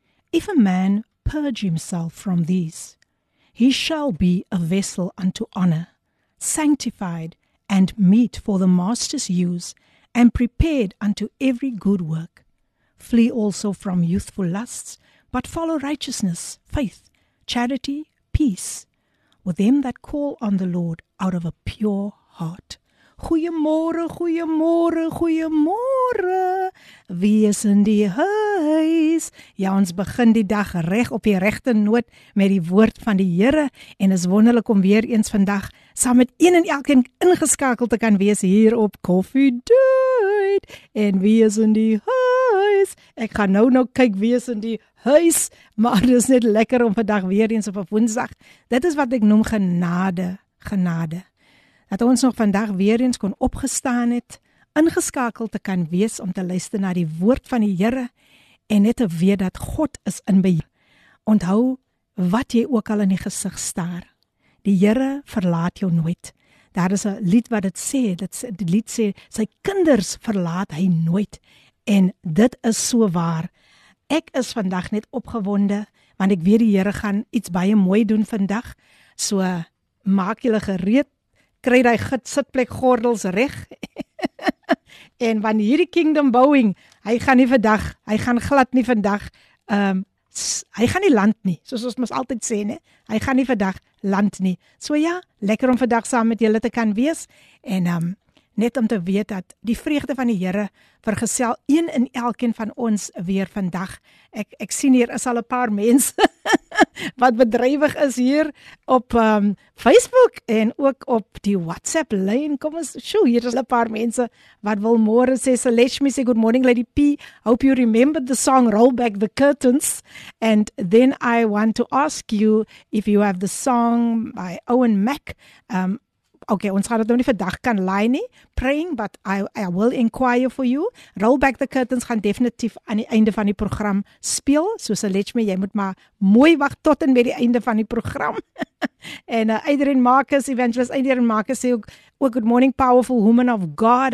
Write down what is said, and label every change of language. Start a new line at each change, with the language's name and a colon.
English: If a man purge himself from these, he shall be a vessel unto honor, sanctified and meet for the master's use, and prepared unto every good work. Flee also from youthful lusts, but follow righteousness, faith, charity, peace, with them that call on the Lord out of a pure heart.
Afrikaans: Goeiemôre, goeiemôre, goeiemôre. Wees in die huis. Ja, ons begin die dag reg op die regte noot met die woord van die Here en is wonderlik om weer eens vandag saam met een en elkeen ingeskakel te kan wees hier op Coffee Date. En wees in die huis. Ek gaan nou kyk wees in die huis, maar dit is net lekker om vandag weer eens op 'n Woensdag. Dit is wat ek noem genade, genade. Dat ons nog vandag weer eens kon opgestaan het, ingeskakeld te kan wees om te luister na die woord van die Here en net te weet dat God is in beheer. Onthou wat jy ook al in die gesig staar. Die Here verlaat jou nooit. Daar is 'n lied wat dit sê, sy kinders verlaat hy nooit. En dit is so waar. Ek is vandag net opgewonde, want ek weet die Here gaan iets baie mooi doen vandag. So maak julle gereed. Kry hy sitplek gordels reg. En van hierdie kingdom bouwing, hy gaan nie vandag land nie. So ja, lekker om vandag saam met julle te kan wees. En net om te weet dat die vreugde van die Here vergesel een in elkeen van ons weer vandag. Ek sien hier is al 'n paar mense wat bedrywig is hier op Facebook en ook op die WhatsApp lyn. Kom ons, hier is 'n paar mense wat wil môre sê, Selechmi sê
English: good morning Lady P. Hope you remember the song Roll Back the Curtains, and then I want to ask you if you have the song by Owen Mack.
Afrikaans: Okay, ons gaan dit nou nie vandag kan laai nie.
English: Praying, but I will inquire for you.
Afrikaans: Roll Back the Curtains gaan definitief aan die einde van die program speel. So Selechmi, jy moet maar mooi wag tot en met die einde van die program. En Adrian Marcus sê ook
English: good morning powerful woman of God.